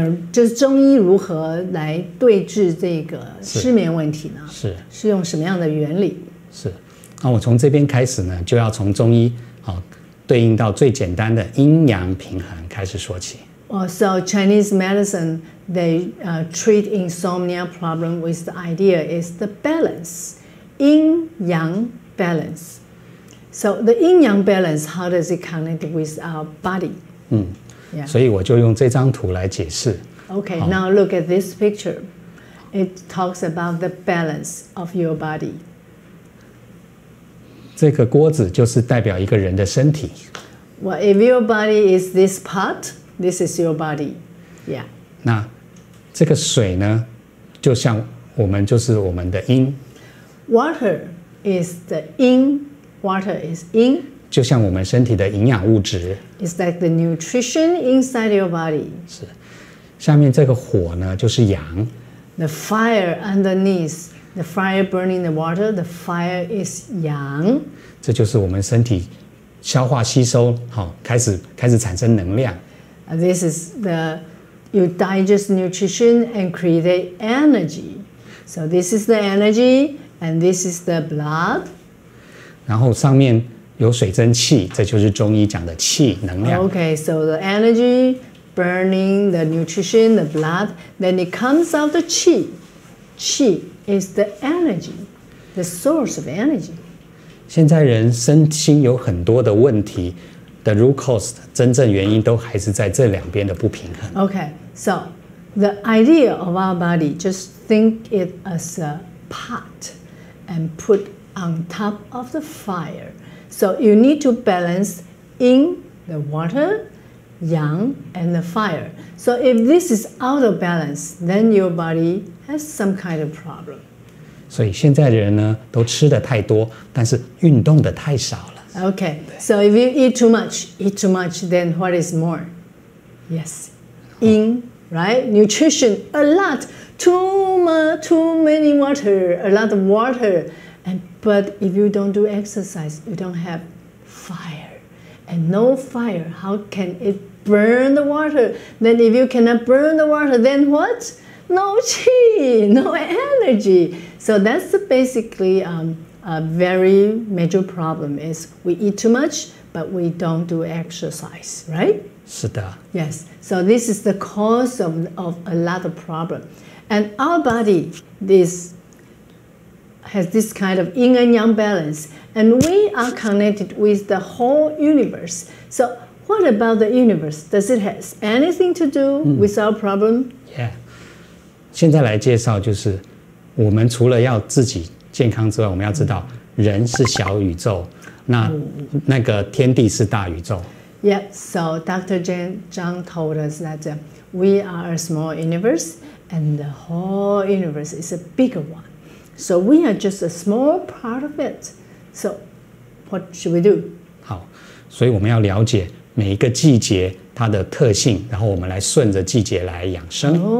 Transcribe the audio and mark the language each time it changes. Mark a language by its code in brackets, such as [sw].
[zh] 就是中医如何来对治这个失眠问题呢？是用什么样的原理？是，那我从这边开始呢，就要从中医对应到最简单的阴阳平衡开始说起。 [en] So Chinese medicine, they treat insomnia problem with the idea is the balance, 阴阳 balance. So the 阴阳 balance, how does it connect with our body? [zh] 所以我就用这张图来解释。 [en] Okay, now look at this picture. It talks about the balance of your body. [zh] 这个锅子就是代表一个人的身体。 [en] Well, if your body is this pot, this is your body. Yeah. [zh] 那这个水呢，就像我们就是我们的阴。 [en] Water is the 阴。Water is 阴。 [zh] 就像我们身体的营养物质 [en] ，It's like the nutrition inside your body. [zh] 是，下面这个火呢，就是阳。 [en] The fire underneath, the fire burning the water, the fire is 阳。 [zh] 这就是我们身体消化吸收，好、哦，开始产生能量。 [en] This is the you digest nutrition and create energy. So this is the energy, and this is the blood. [zh] 然后上面。有水蒸气，这就是中医讲的气能量。 [en] Okay, so the energy burning the nutrition, the blood, then it comes out the qi. Qi is the energy, the source of energy. [zh] 现在人身心有很多的问题， [en] the root cause, [zh] 真正原因都还是在这两边的不平衡。 [en] Okay, so the idea of our body, just think it as a pot and put on top of the fire. So you need to balance in the water, yang, and the fire. So if this is out of balance, then your body has some kind of problem. [zh] 所以现在的人呢，都吃的太多，但是运动的太少了。 [en] Okay, so if you eat too much, then what is more? Yes, in, right? Nutrition, a lot, too many water, a lot of water. But if you don't do exercise, you don't have fire. And no fire, how can it burn the water? Then if you cannot burn the water, then what? No qi, no energy. So that's basically a very major problem is we eat too much, but we don't do exercise, right? [zh] 是的。 [en] Yes. So this is the cause of a lot of problem. And our body, this... has this kind of yin and yang balance, and we are connected with the whole universe. So what about the universe? Does it have anything to do with our problem? Yeah. [zh] 现在来介绍就是我们除了要自己健康之外，我们要知道人是小宇宙，那个天地是大宇宙。 [en] Yeah, so Dr. Zhang told us that we are a small universe, and the whole universe is a bigger one. So we are just a small part of it. So, what should we do? [zh] 好，所以我们要了解每一个季节它的特性，然后我们来顺着季节来养生。